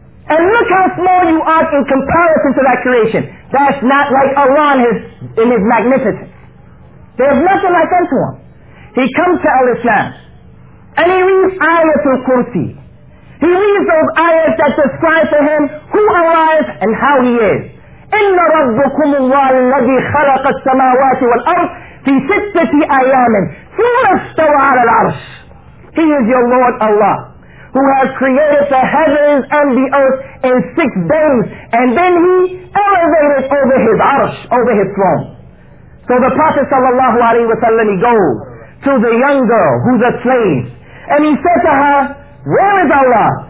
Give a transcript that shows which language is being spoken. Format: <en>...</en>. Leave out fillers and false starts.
<en>And look how small you are in comparison to that creation. That's not like Allah in his magnificence. There's nothing like unto him. He comes to Al-Islam and he reads Ayatul Kursi. He reads those ayats that describe for him who Allah is and how he is.</en> <ar>إِنَّ رَبُّكُمُ اللَّهِ الَّذِي خَلَقَ السَّمَاوَاتِ وَالْأَرْضِ في ستة أيام ثم استوى على العرش.</ar> <en>He is your Lord Allah, who has created the heavens and the earth in 6 days, and then He elevated over His arsh, over His throne. So the Prophet sallallahu alaihi wasallam, he goes to the young girl who's a slave. And he said to her, where is Allah?</en>